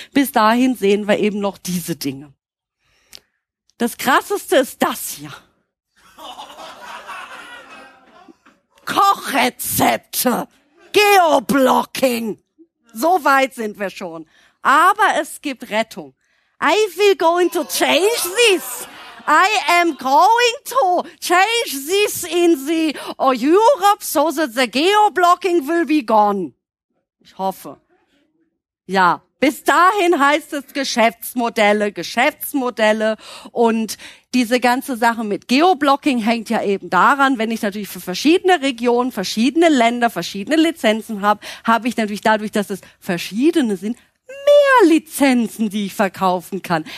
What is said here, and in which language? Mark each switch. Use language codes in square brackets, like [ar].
[de] Bis dahin sehen wir eben noch diese Dinge. Das Krasseste ist das hier. Kochrezepte. Geoblocking. So weit sind wir schon. Aber es gibt Rettung. [en] I will going to change this. I am going to change this in the Europe so that the geoblocking will be gone. [de] Ich hoffe. Ja, bis dahin heißt es Geschäftsmodelle, Geschäftsmodelle. Und diese ganze Sache mit Geoblocking hängt ja eben daran, wenn ich natürlich für verschiedene Regionen, verschiedene Länder, verschiedene Lizenzen habe, habe ich natürlich dadurch, dass es verschiedene sind, mehr Lizenzen, die ich verkaufen kann.